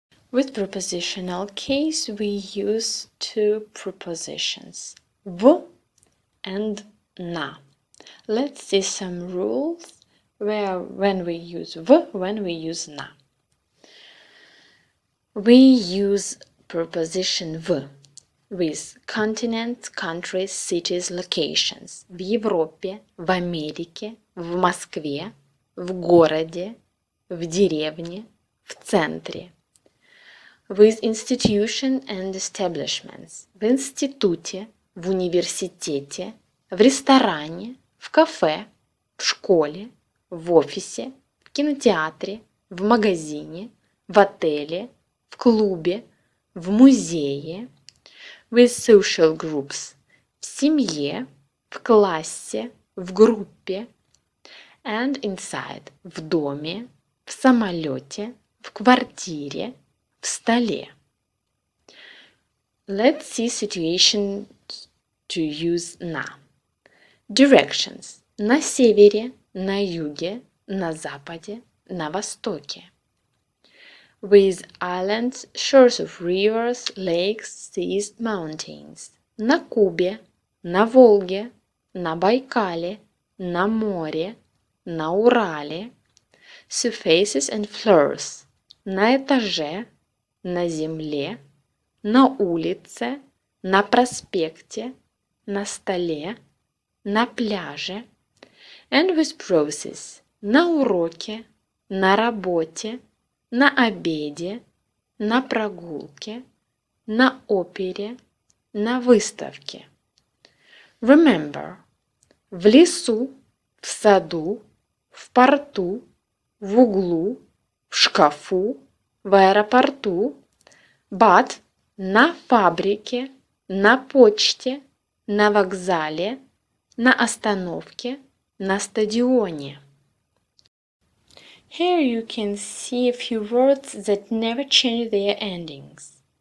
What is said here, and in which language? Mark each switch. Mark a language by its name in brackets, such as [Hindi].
[English] With prepositional case, we use two prepositions, v and na. Let's see some rules where when we use v, when we use na. We use preposition v with continents, countries, cities, locations. [Russian] В Европе, в Америке, в Москве, в городе, в деревне, в центре. [English] With institution and establishments. [Russian] В институте, в университете, в ресторане, в кафе, в школе, в офисе, в кинотеатре, в магазине, в отеле, в клубе, в музее. [English] With social groups. [Russian] В семье, в классе, в группе. [English] And inside. [Russian] В доме, в самолете, в квартире, в столе. [English] Let's see situations to use на. Directions. [Russian] На севере, на юге, на западе, на востоке. [English] With islands, shores of rivers, lakes, seas, mountains. [Russian] На Кубе, на Волге, на Байкале, на море, на Урале. [English] Surfaces and floors. [Russian] На этаже, на земле, на улице, на проспекте, на столе, на пляже. [English] And with process. [Russian] На уроке, на работе. На обеде, на прогулке, на опере, на выставке. [English] Remember, [Russian] В лесу, в саду, в порту, в углу, в шкафу, в аэропорту. But на фабрике, на почте, на вокзале, на остановке, на стадионе. [English] Here you can see a few words that never change their endings.